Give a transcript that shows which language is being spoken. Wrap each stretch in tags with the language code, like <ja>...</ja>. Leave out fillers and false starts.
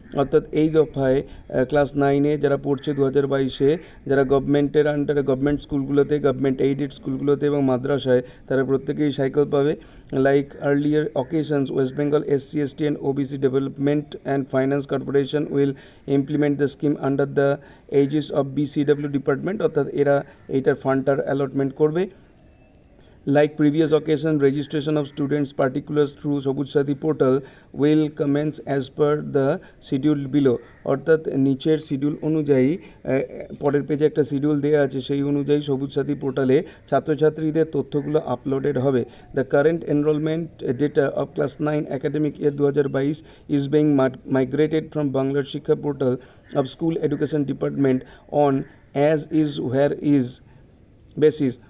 <bn>অর্থাৎ এই দফায় ক্লাস নাইনে যারা পড়ছে 2022-এ, যারা গভর্নমেন্টের আন্ডারে গভর্নমেন্ট স্কুলগুলোতে, গভর্নমেন্ট এইডেড স্কুলগুলোতে এবং মাদ্রাসায়, তারা প্রত্যেকেই সাইকেল পাবে।</bn> <en>Like earlier occasions, West Bengal SCST and OBC development and finance corporation will implement the scheme under the aegis of BCW department.</en> <bn>অর্থাৎ এরা এইটার ফান্ডটার অ্যালটমেন্ট করবে।</bn> <en>Like previous occasion, registration of students particulars through Sabooj Sathi portal will commence as per the schedule below.</en> <bn>অর্থাৎ নিচের schedule অনুযায়ী, পরের পেজে একটা শিডিউল দেওয়া আছে, সেই অনুযায়ী সবুজ সাথী পোর্টালে ছাত্রছাত্রীদের তথ্যগুলো আপলোডেড হবে।</bn> <en>The current enrolment data of class nine academic year 2022 is being migrated from বাংলার শিক্ষা portal of school education department on as is where is basis.</en>